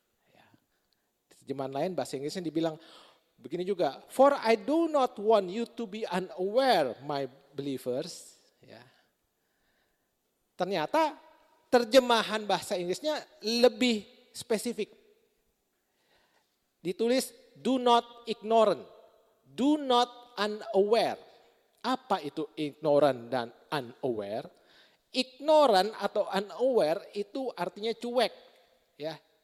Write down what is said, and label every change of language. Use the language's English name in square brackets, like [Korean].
[Indonesian] Ya. Terjemahan lain bahasa Inggrisnya dibilang begini juga. [English] For I do not want you to be unaware, my believers. [Indonesian] Ya. Ternyata terjemahan bahasa Inggrisnya lebih spesifik. Ditulis [English] do not ignorant. Do not unaware. [Indonesian] Apa itu ignorant dan unaware? Ignorant atau unaware itu artinya cuek, ya.